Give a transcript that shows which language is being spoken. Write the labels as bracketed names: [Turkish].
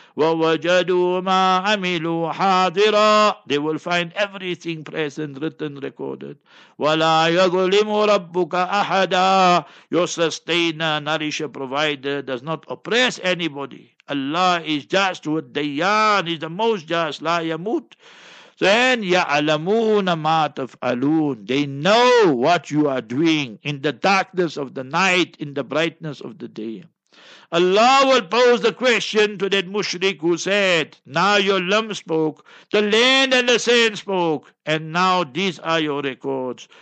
[Arabic] وَوَجَدُوا مَا عَمِلُوا حَاضِرًا. [English] They will find everything present, written, recorded. [Arabic] وَلَا يَظُلِمُ رَبُّكَ أَحَدًا. [English] Your sustainer, nourisher, provider does not oppress anybody. Allah is just with Dayan, is the most just. [Arabic] لَا يَمُوت. Then يَعْلَمُونَ مَا تَفْعَلُونَ. [English] They know what you are doing in the darkness of the night, in the brightness of the day. Allah will pose the question to that mushrik who said, now your limb spoke, the land and the sand spoke, and now these are your records.